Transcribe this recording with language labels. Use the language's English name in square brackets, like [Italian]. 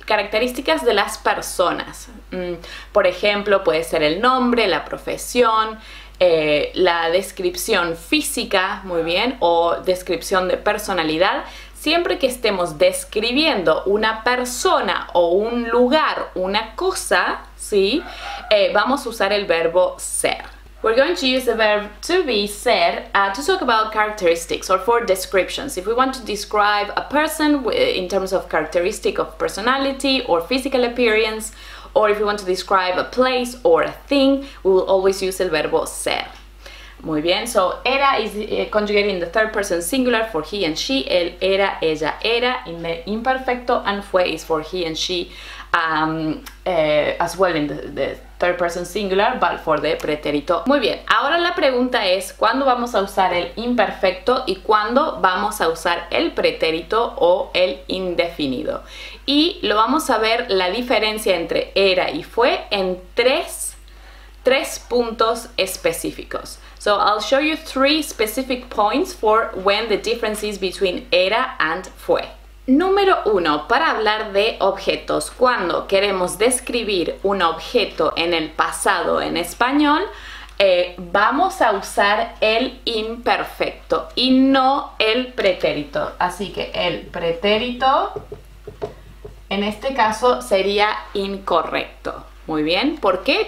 [Spanish] Características de las personas. Por ejemplo, puede ser el nombre, la profesión, la descripción física, muy bien, o descripción de personalidad. Siempre que estemos describiendo una persona o un lugar, una cosa, ¿sí? Vamos a usar el verbo ser. [English] We're going to use the verb to be, ser, to talk about characteristics or for descriptions. If we want to describe a person in terms of characteristic of personality or physical appearance, or if we want to describe a place or a thing, we will always use [Spanish] el verbo ser. Muy bien, [English] so era is conjugated in the third person singular for he and she, él era, ella era, in the imperfecto, and fue is for he and she as well in the third person singular, but for the pretérito. [Spanish] Muy bien, ahora la pregunta es, ¿cuándo vamos a usar el imperfecto y cuándo vamos a usar el pretérito o el indefinido? Y lo vamos a ver la diferencia entre era y fue en tres puntos específicos. [English] So I'll show you three specific points for when the difference is between era and fue. [Spanish] Número uno, para hablar de objetos, cuando queremos describir un objeto en el pasado en español, vamos a usar el imperfecto y no el pretérito. Así que el pretérito, en este caso, sería incorrecto. Muy bien, ¿por qué?